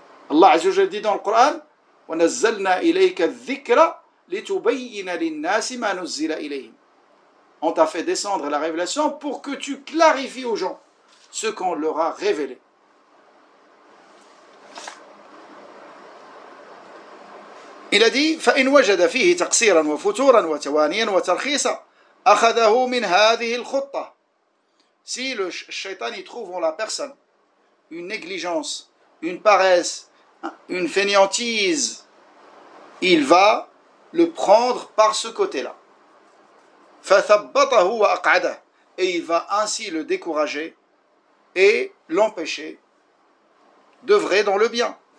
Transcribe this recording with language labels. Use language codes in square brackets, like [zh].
[ar] Allah Azza wa Jalla [fr] dit dans le Coran, [ar] وَنَزَّلْنَا إِلَيْكَ الذِّكْرَ لِتُبَيِّنَ لِلنَّاسِ مَا نُزِّلَ إِلَيْهِمْ. [fr] On t'a fait descendre la révélation pour que tu clarifies aux gens ce qu'on leur a révélé. Il a dit, [ar] فَإِنْ وَجَدَ فِيهِ تَقْصِيرًا وَفُتُورًا وَتَوَانِيًا وَتَرْخِيصًا أَخَذَهُ مِنْ هَذِهِ الْخُطَّةِ. [fr] Si le shaitan y trouve en la personne une négligence, une paresse, une fainéantise, il va le prendre par ce côté-là. [ar] فَثَبَّطَهُ وَأَقْعَدَهُ. [fr] Et il va ainsi le décourager et l'empêcher d'œuvrer dans le bien.